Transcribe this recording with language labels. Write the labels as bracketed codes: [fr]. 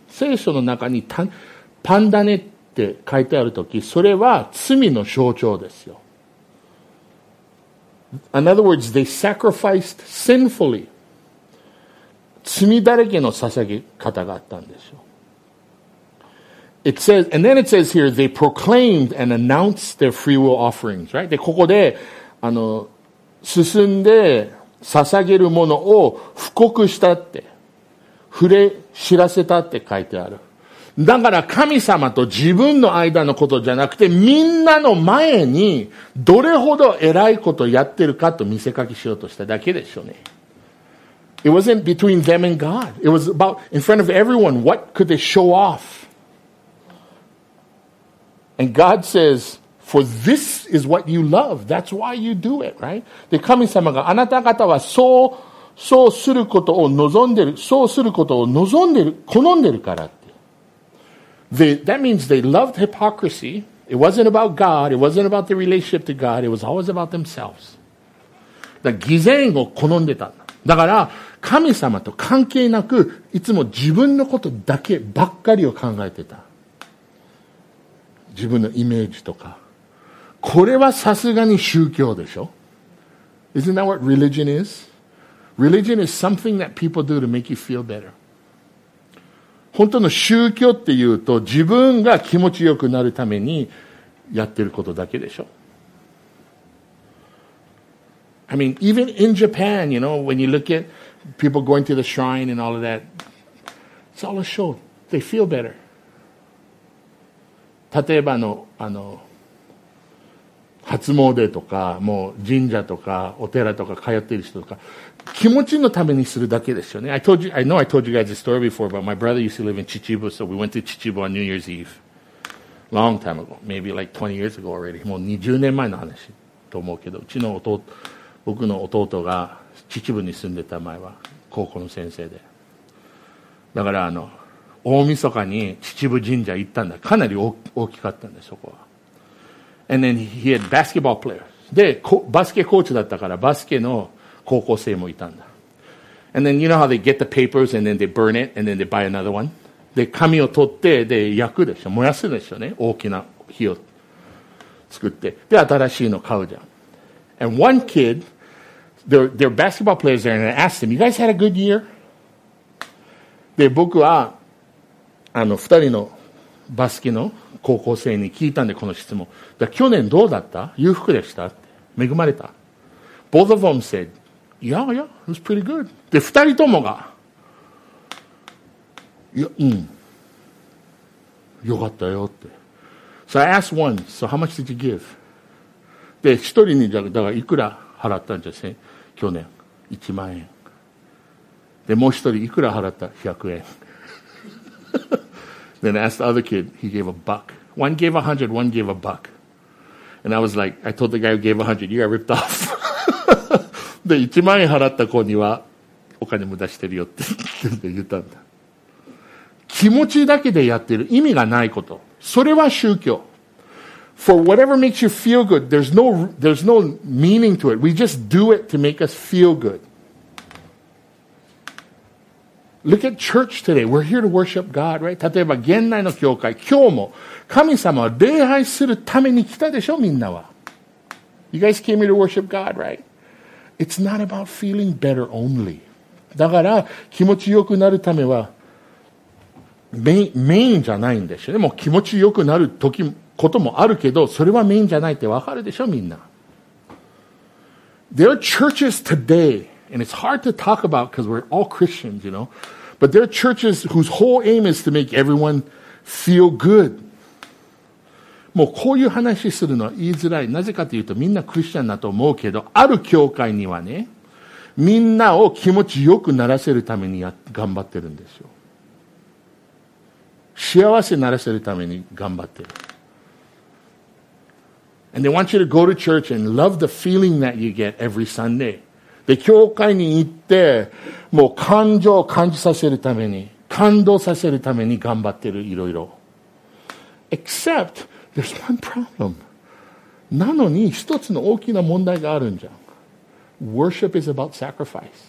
[ja] 聖書の中にパン種って書いてあるとき、それは罪の象徴ですよ。 [en] In other words, they sacrificed sinfully. [ja] 罪だらけの捧げ方があったんですよ。 [en] It says, and then it says here, they proclaimed and announced their free will offerings, right? [ja] で、ここで、進んで捧げるものを布告したって、触れ知らせたって書いてある。だから神様と自分の間のことじゃなくて、みんなの前にどれほど偉いことをやってるかと見せかけしようとしただけでしょうね。 [en] It wasn't between them and God. It was about in front of everyone. What could they show off? And God says, for this is what you love. That's why you do it, right? [ja] で、神様があなた方はそうすることを望んでる。そうすることを望んでる。好んでるからって。 [en] That means they loved hypocrisy. It wasn't about God. It wasn't about the relationship to God. It was always about themselves. [ja] だから偽善を好んでた。だから、神様と関係なく、いつも自分のことだけばっかりを考えてた。自分のイメージとか。これはさすがに宗教でしょ? [en] Isn't that what religion is? Religion is something that people do to make you feel better. [ja] 本当の宗教っていうと、自分が気持ちよくなるためにやってることだけでしょ? [en] I mean, even in Japan, you know, when you look at people going to the shrine and all of that, it's all a show. They feel better. [ja] 例えばの、初詣とか、もう神社とか、お寺とか通ってる人とか、気持ちのためにするだけですよね。 [en] I know I told you guys a story before, but my brother used to live in Chichibu, so we went to Chichibu on New Year's Eve. Long time ago. Maybe like 20 years ago already. [ja] もう20年前の話と思うけど、うちの弟、僕の弟が秩父に住んでた前は、高校の先生で。だから大晦日に秩父神社行ったんだ。かなり大きかったんだ、そこは。 [en] And then he had basketball players. [ja] で、バスケコーチだったから、バスケの高校生もいたんだ。 [en] And then you know how they get the papers and then they burn it and then they buy another one? [ja] で、紙を取って、で、焼くでしょ。燃やすでしょね。大きな火を作って。で、新しいの買うじゃん。 [en] And one kid, they're basketball players there and I asked them, you guys had a good year? [ja] で、僕は、二人のバスケの高校生に聞いたんで、この質問。だ去年どうだった?裕福でした?恵まれた? [en] Both of them said, yeah, yeah, it was pretty good. [ja] で、二人ともが、いや、うん。よかったよって。 So I asked one, so how much did you give? で、一人に、だからいくら払ったんじゃ、去年。1万円。で、もう一人いくら払った?100円。 [en] Then I asked the other kid, he gave a buck. One gave a hundred, one gave a buck. And I was like, I told the guy who gave a hundred, you got ripped off. [ja] で、1万円払った子にはお金無駄してるよって言ったんだ。気持ちだけでやってる意味がないこと。それは宗教。 [en] For whatever makes you feel good, there's no meaning to it. We just do it to make us feel good. Look at church today. We're here to worship God, right? [ja] 例えば現代の教会、今日も神様は礼拝するために来たでしょ、みんなは。 [en] You guys came here to worship God, right? It's not about feeling better only. [ja] だから気持ちよくなるためはメインじゃないんでしょ。でも気持ちよくなる時こともあるけど、それはメインじゃないってわかるでしょ、みんな。 [en] There are churches today, and it's hard to talk about because we're all Christians, you know. But there are churches whose whole aim is to make everyone feel good. [ja] もうこういう話するのは言いづらい。なぜかというとみんなクリスチャンだと思うけど、ある教会にはね、みんなを気持ちよくならせるために頑張ってるんですよ。幸せにならせるために頑張ってる。 [en] And they want you to go to church and love the feeling that you get every Sunday. [ja] で、教会に行って、もう感情を感じさせるために、感動させるために頑張ってる、いろいろ。 [en] Except, there's one problem. [ja] なのに、一つの大きな問題があるんじゃん。 [en] Worship is about sacrifice.